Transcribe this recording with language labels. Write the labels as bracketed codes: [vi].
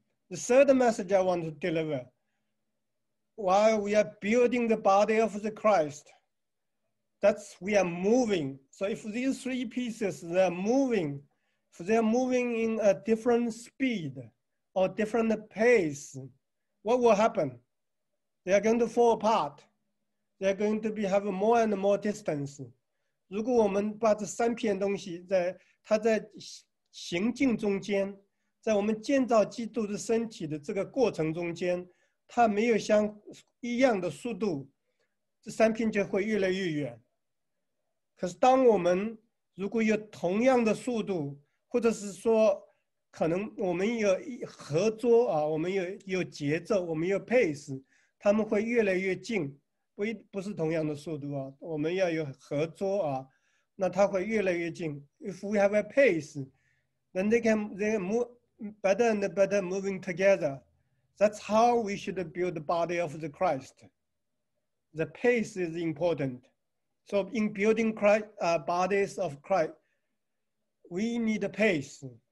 [en] The third message I want to deliver, while we are building the body of the Christ, that's we are moving. So if these three pieces, they're moving, if they're moving in a different speed or different pace, what will happen? They are going to fall apart. They're going to have more and more distance. [zh] 如果我们把这三片东西在它在行进中间在我们建造基督的身体的这个过程中间，它没有相一样的速度，这三片就会越来越远。可是当我们如果有同样的速度，或者是说可能我们有合作啊，我们有节奏，我们有 pace， 他们会越来越近，不是同样的速度啊，我们要有合作啊，那它会越来越近。 [en] If we have a pace, then they move. Better and better moving together. That's how we should build the body of the Christ. The pace is important. So in building Christ, bodies of Christ, we need a pace.